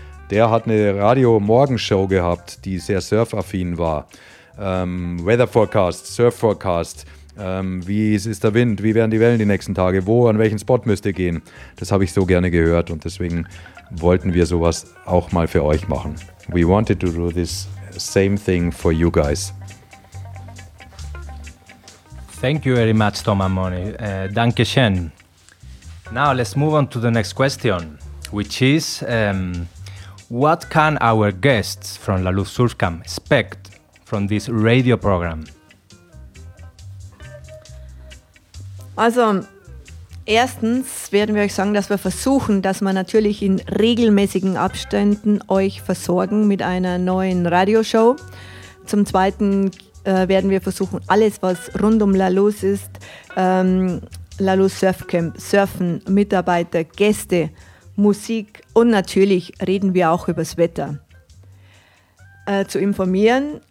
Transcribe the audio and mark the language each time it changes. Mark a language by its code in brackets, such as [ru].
[de] Der hat eine Radio-Morgenshow gehabt, die sehr surfaffin war. Weather Forecast, Surf Forecast, wie ist der Wind, wie werden die Wellen die nächsten Tage, wo, an welchen Spot müsst ihr gehen? Das habe ich so gerne gehört und deswegen wollten wir sowas auch mal für euch machen. [en] We wanted to do this same thing for you guys. Thank you very much, Tom and Moni. [de] Danke schön. [en] Now let's move on to the next question, which is what can our guests from Lalus Surfcam expect from this radio program? [de] Also, erstens werden wir euch sagen, dass wir versuchen, dass wir natürlich in regelmäßigen Abständen euch versorgen mit einer neuen Radioshow. Zum Zweiten werden wir versuchen, alles, was rund um Lalus ist, Lalus Surfcamp, Surfen, Mitarbeiter, Gäste, Musik und natürlich reden wir auch über das Wetter, zu informieren.